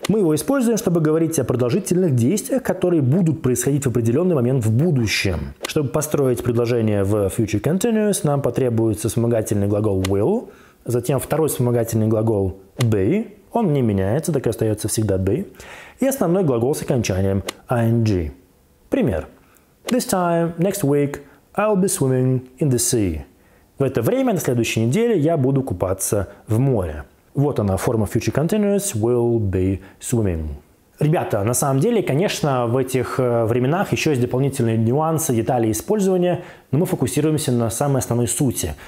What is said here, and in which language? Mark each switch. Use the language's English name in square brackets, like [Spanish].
[Russian] Мы его используем, чтобы говорить о продолжительных действиях, которые будут происходить в определенный момент в будущем. Чтобы построить предложение в future continuous, нам потребуется вспомогательный глагол will, затем второй вспомогательный глагол be, он не меняется, так и остается всегда be, и основной глагол с окончанием ing. Пример. [English] This time, next week, I'll be swimming in the sea. [Russian] В это время, на следующей неделе, я буду купаться в море. Вот она, форма future continuous, [English] will be swimming. [Russian] Ребята, на самом деле, конечно, в этих временах еще есть дополнительные нюансы, детали использования, но мы фокусируемся на самой основной сути.